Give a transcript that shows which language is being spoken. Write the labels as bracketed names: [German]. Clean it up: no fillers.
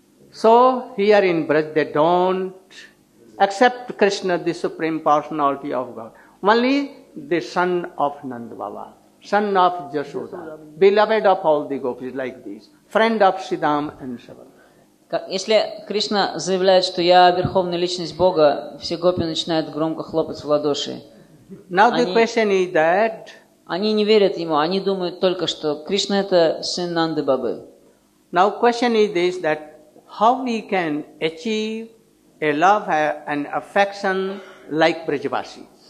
[English] So here in Braj, they don't accept Krishna, the supreme personality of God. Only the son of Nanda Baba, son of Yashoda, beloved of all the gopis like this, friend of Sridham and Sabala. [Russian] Если Кришна заявляет, что я верховная личность Бога, все гопи начинают громко хлопать в ладоши. [English] Now the question is that [Russian] они не верят ему, они думают только, что Кришна это сын Нанды Бабы. [English] Now question is this, that how we can achieve a love and affection like Brajavasis?